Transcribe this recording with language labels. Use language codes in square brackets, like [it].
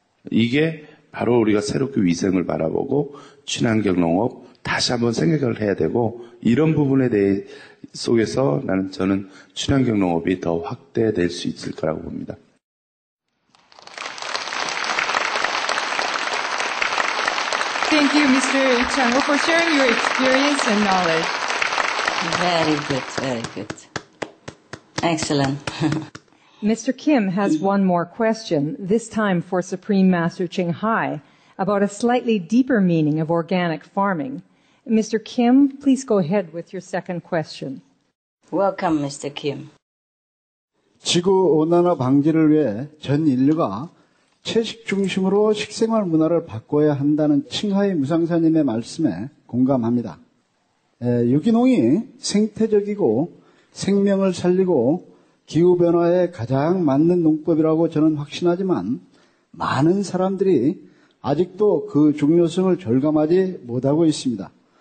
[ko] 이게 바로 우리가 새롭게 위생을 바라보고 친환경 농업 다시 한번 생각을 해야 되고, 이런 부분에 대해 속에서 저는 친환경 농업이 더 확대될 수 있을 거라고 봅니다. 감사합니다, [en] Mr. Changho, for sharing your experience and knowledge. Very good, very good. Excellent. Mr. Kim has one more question, this time for Supreme Master Ching Hai, about a slightly deeper meaning of organic farming. Mr. Kim, please go ahead with your second question. Welcome, Mr. Kim. [ko] 지구 온난화 방지를 위해 전 인류가 채식 중심으로 식생활 문화를 바꿔야 한다는 칭하이 무상사님의 말씀에 공감합니다. 유기농이 생태적이고 생명을 살리고 기후변화에 가장 맞는 농법이라고 저는 확신하지만 많은 사람들이 아직도 그 중요성을 절감하지 못하고 있습니다.